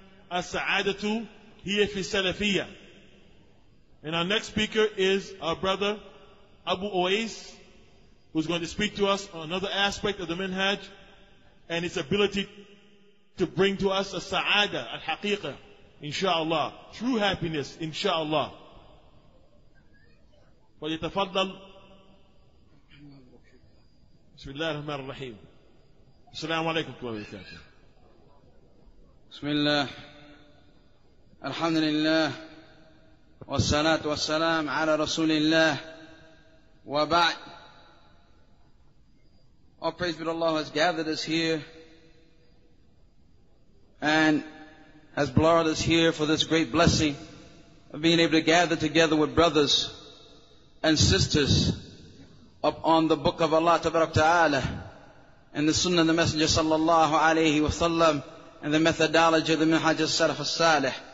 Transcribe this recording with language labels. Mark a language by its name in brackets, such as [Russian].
[Arabic] As-sa'adatu hiya fi salafiyya. [English] And our next speaker is our brother, Abu Uwais, who's going to speak to us on another aspect of the minhaj and its ability to bring to us a sa'ada, al-haqiqa, insha'Allah, true happiness, insha'Allah. [Arabic] فَلِتَفَضَّلْ بسم الله الرحمن الرحيم السلام عليكم ورحمة الله وبركاته بسم الله الحمد لله والصلاة والسلام على رسول الله وبعد. [English] All praise be to Allah who has gathered us here and has brought us here for this great blessing of being able to gather together with brothers and sisters upon the book of Allah tabarak ta'ala and the sunnah of the Messenger sallallahu alayhi wa sallam and the methodology of the minhaj as-salaf as-salih.